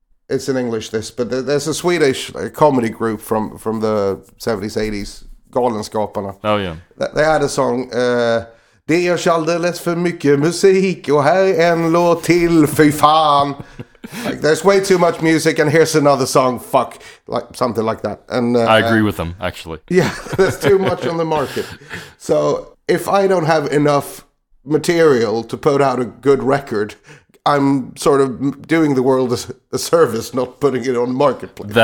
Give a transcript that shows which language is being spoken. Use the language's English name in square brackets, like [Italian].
[English] It's in English this, but there's a Swedish comedy group from the 70s, 80s, Galenskaparna. Oh, yeah. They had a song, [Swedish] Det görs alldeles för mycket musik, och här är en låt till, fy fan. [English] Like, there's way too much music, and here's another song, fuck. Like, something like that. And I agree with them, actually. Yeah, there's too much on the market. So, if I don't have enough material to put out a good record, I'm sort of doing the world a service, not putting it on marketplace.